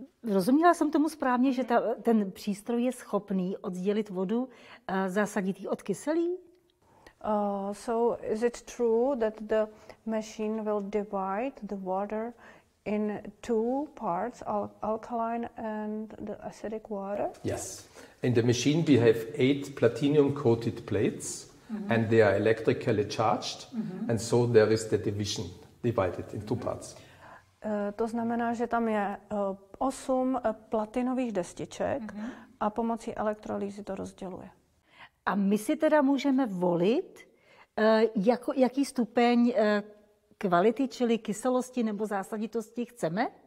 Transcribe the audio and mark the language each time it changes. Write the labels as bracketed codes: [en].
[cs] Rozuměla jsem tomu správně, že ten přístroj je schopný oddělit vodu zásaditý od kyselý? [en] So is it true that the machine will divide the water in two parts, alkaline and the acidic water? Yes. In the machine we have eight platinum coated plates. Mm-hmm. And they are electrically charged, mm-hmm. and so there is the division divided in two parts. [cs] To znamená, že tam je osm platinových destiček, mm-hmm. a pomocí elektrolýzy to rozděluje. A my si teda můžeme volit, jaký stupeň kvality, čili kyselosti nebo zásaditosti chceme?